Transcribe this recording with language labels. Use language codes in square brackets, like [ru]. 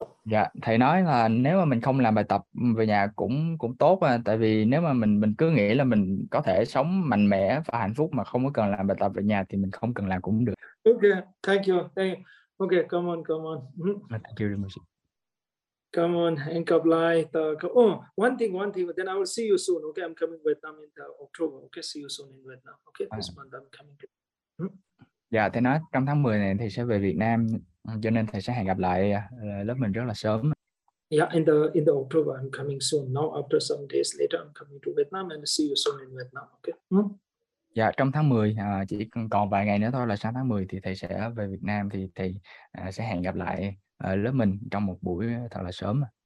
[vi] Dạ, thầy nói là nếu mà mình không làm bài tập về nhà cũng cũng tốt mà, tại vì nếu mà mình cứ nghĩ là mình có thể sống mạnh mẽ và hạnh phúc mà không có cần làm bài tập về nhà thì mình không cần làm cũng được. [en] Okay, thank you. Okay, come on, come on. Thank you very much. Come on, hang up light. Oh, one thing, but then I will see you soon. Okay, I'm coming to Vietnam in October. Okay, see you soon in Vietnam. Okay, this month I'm coming to. [vi] Dạ, thầy nói trong tháng 10 này thầy sẽ về Việt Nam, cho nên thầy sẽ hẹn gặp lại lớp mình rất là sớm. [en] Yeah, in the October I'm coming soon. Now after some days later I'm coming to Vietnam and see you soon in Vietnam. Okay. [vi] Dạ, trong tháng 10 chỉ còn vài ngày nữa thôi là sang tháng 10 thì thầy sẽ về Việt Nam, thì thầy sẽ hẹn gặp lại lớp mình trong một buổi thật là sớm.